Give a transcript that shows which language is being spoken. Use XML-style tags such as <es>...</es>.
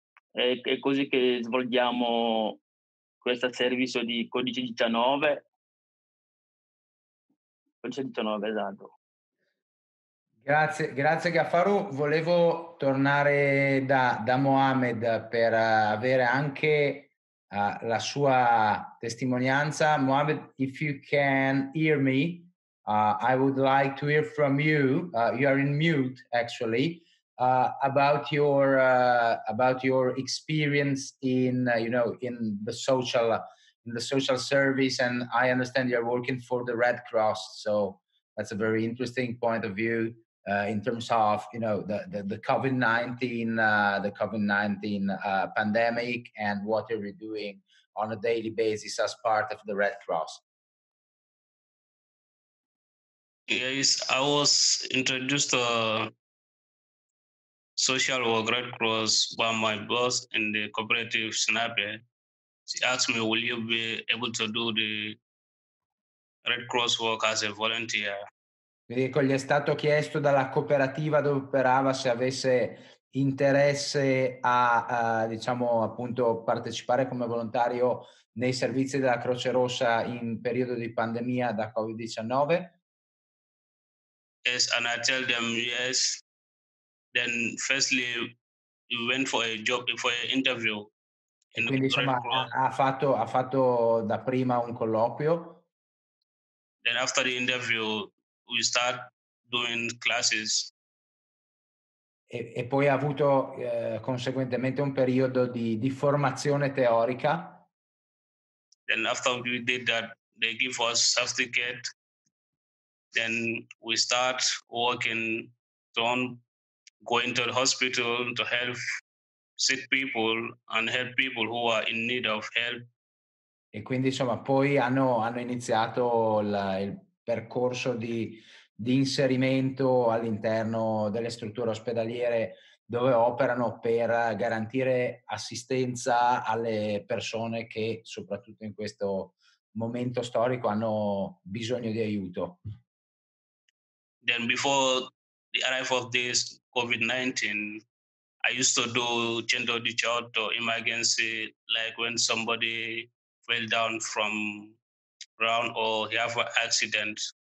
<it>È così che svolgiamo questo servizio di Covid-19. Esatto. Grazie Gaffaru. Volevo tornare da Mohamed per avere anche la sua testimonianza.</it> <en>Mohamed, if you can hear me, I would like to hear from you. You are in mute, actually. About your experience in the social service, and I understand you're working for the Red Cross, so that's a very interesting point of view in terms of the COVID-19 pandemic and what are you doing on a daily basis as part of the Red Cross. Yes, I was introduced to social work Red Cross by my boss in the cooperative Snape. She asked me, will you be able to do the Red Cross work as a volunteer?</en> <it>Ecco, gli è stato chiesto dalla cooperativa dove operava se avesse interesse a, diciamo, appunto, partecipare come volontario nei servizi della Croce Rossa in periodo di pandemia da Covid-19.</it> <en>Yes, and I tell them yes. Then, firstly, we went for a job, for an interview.</en> <it>Quindi insomma ha fatto da prima un colloquio.</it> <en>Then after the interview we start doing classes.</en> <it>E poi ha avuto conseguentemente un periodo di formazione teorica.</it> <en>Then after we did that they give us certificate. Then we start working on going to the hospital to help sick people and help people who are in need of help.</en> <it>E quindi insomma poi hanno iniziato il percorso di inserimento all'interno delle strutture ospedaliere dove operano per garantire assistenza alle persone che soprattutto in questo momento storico hanno bisogno di aiuto.</it> <en>Then before the arrival of this COVID-19, I used to do 118 emergency, like when somebody fell down from ground or he have an accident.</en>